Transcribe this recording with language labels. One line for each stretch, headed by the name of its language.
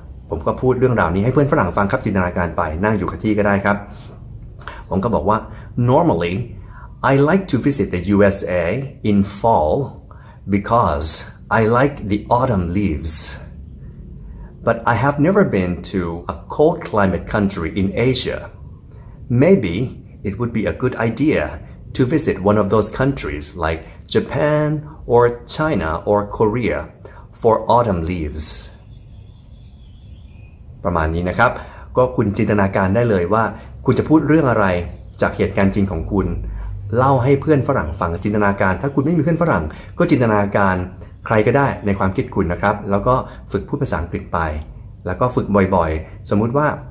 Thai: ผมก็พูดเรื่องราวนี้ให้เพื่อนฝรั่งฟังครับจินตนาการไปนั่งอยู่กับที่ก็ได้ครับผมก็บอกว่า
English: normally I like to visit the USA in fall because I like the autumn leavesBut I have never been to a cold climate country in Asia. Maybe it would be a good idea to visit one of those countries like Japan or China or Korea for autumn leaves.
Thai: ประมาณนี้นะครับก็คุณจินตนาการได้เลยว่าคุณจะพูดเรื่องอะไรจากเหตุการณ์จริงของคุณเล่าให้เพื่อนฝรั่งฟังจินตนาการถ้าคุณไม่มีเพื่อนฝรั่งก็จินตนาการใครก็ได้ในความคิดคุณนะครับแล้วก็ฝึกพูดภาษาอังกฤษไปแล้วก็ฝึกบ่อยๆสมมุติว่า